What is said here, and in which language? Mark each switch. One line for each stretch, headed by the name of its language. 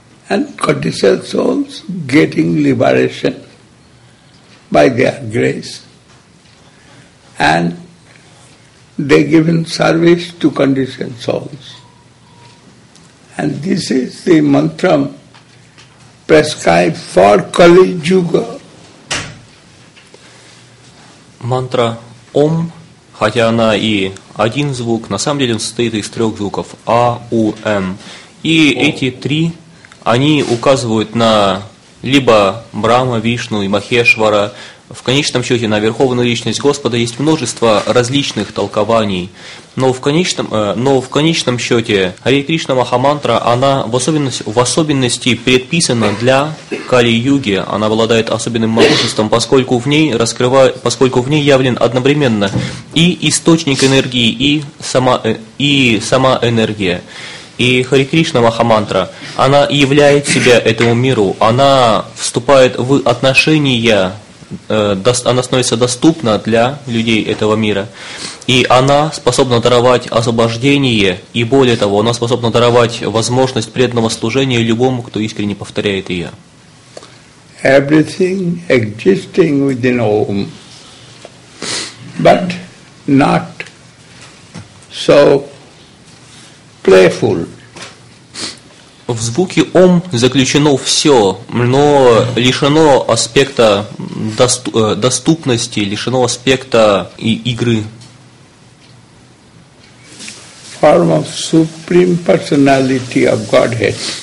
English: And conditioned souls getting liberation by their grace. And they given service to conditioned souls. And this is the mantra prescribed for Kali Yuga.
Russian: Мантра Ом, хотя она и один звук, на самом деле он состоит из трех звуков А, У, М. И эти три. Они указывают на либо Брама, Вишну и Махешвара, в конечном счете на Верховную Личность Господа. Есть множество различных толкований, но в конечном счете Хари Кришна Махамантра, она в особенности предписана для Кали-Юги, она обладает особенным могуществом, поскольку в ней явлен одновременно и источник энергии, и сама энергия. И Хари Кришна Махамантра, она являет себя этому миру, она вступает в отношения, она становится доступна для людей этого мира. И она способна даровать освобождение, и более того, она способна даровать возможность преданного служения любому, кто искренне повторяет ее.
English: Everything existing within Om, but not so playful.
Russian: В звуке Ом заключено все, но лишено аспекта доступности, лишено аспекта игры.
English: Form of Supreme Personality of Godhead.